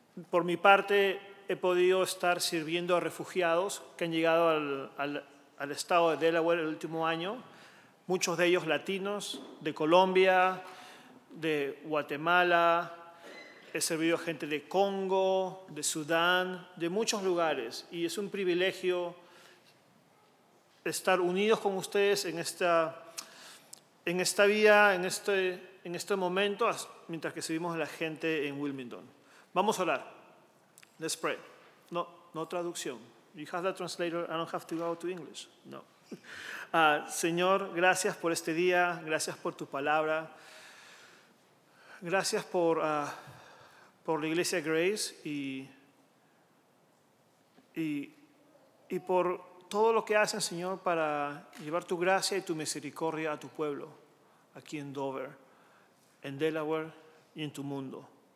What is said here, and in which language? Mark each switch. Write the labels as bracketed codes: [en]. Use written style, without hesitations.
[es] Por mi parte, he podido estar sirviendo a refugiados que han llegado al estado de Delaware el último año, muchos de ellos latinos, de Colombia, de Guatemala, he servido a gente de Congo, de Sudán, de muchos lugares. Y es un privilegio estar unidos con ustedes en esta vida, en este momento, mientras que servimos a la gente en Wilmington. Vamos a orar. [en] Let's pray. [es] No traducción. [en] You have the translator, I don't have to go to English. [es] No. Señor, gracias por este día, gracias por tu palabra. Gracias por la Iglesia Grace y por todo lo que hacen, Señor, para llevar tu gracia y tu misericordia a tu pueblo, aquí en Dover, en Delaware y en tu mundo.